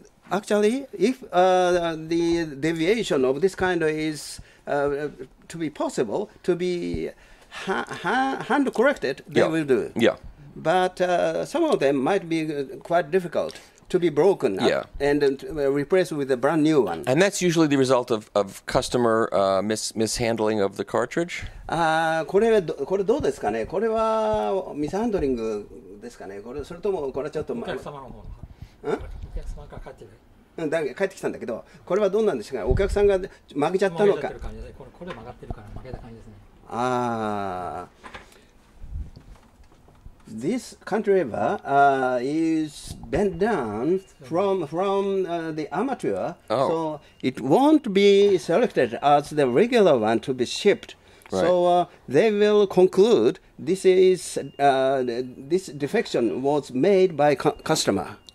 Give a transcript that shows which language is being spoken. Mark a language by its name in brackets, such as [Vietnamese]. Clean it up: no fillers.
[English] Actually, if the deviation of this kind is to be possible, to be hand-corrected, they yeah. will do. Yeah. But some of them might be quite difficult to be broken yeah. and replaced with a brand new one. And that's usually the result of customer mishandling of the cartridge? [Japanese] これどうですかね? これはミスハンドリングですかね?これ、それともこれちょっと、お客様の方。ん? お客様から帰ってうん、だ帰ってきたんだけど、これはどうなんですか?お客さんが曲げちゃったのか。曲げちゃってる感じで、これ曲がってるから曲げた感じですね。ああ。 [English] This cantilever is bent down from the armature, oh. so it won't be selected as the regular one to be shipped. Right. So they will conclude this is this defection was made by customer.